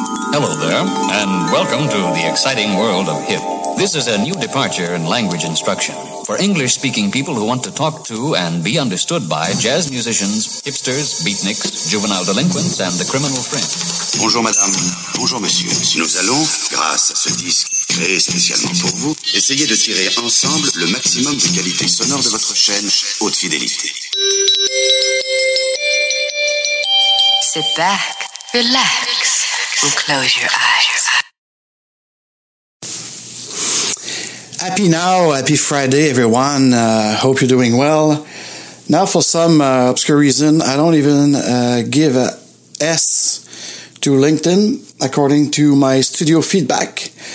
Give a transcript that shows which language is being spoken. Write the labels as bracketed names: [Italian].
[English] Hello there, and welcome to the exciting world of HIP. This is a new departure in language instruction for English-speaking people who want to talk to and be understood by jazz musicians, hipsters, beatniks, juvenile delinquents, and the criminal fringe. [French] Bonjour, madame. Bonjour, monsieur. Nous allons, grâce à ce disque, créé spécialement pour vous, essayez de tirer ensemble le maximum de qualité sonore de votre chaîne Haute Fidélité. [English] Sit back, relax, and close your eyes. Happy now, happy Friday, everyone. Hope you're doing well. Now, for some obscure reason, I don't even give a S to LinkedIn, according to my studio feedback.